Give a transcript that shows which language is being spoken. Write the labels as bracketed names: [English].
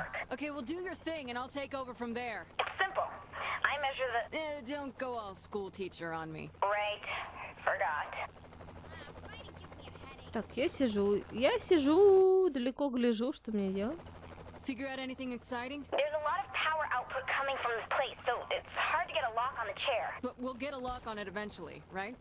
[English] Okay, we'll do your thing and I'll take over from there. It's simple. I measure the... Don't go all school teacher on me. Right. Forgot. [Russian] Так, я сижу. Я сижу, далеко гляжу, что мне делать. [English] Figure out anything exciting? There's a lot of power output coming from this place, so it's hard to get a lock on the chair. But we'll get a lock on it eventually, right?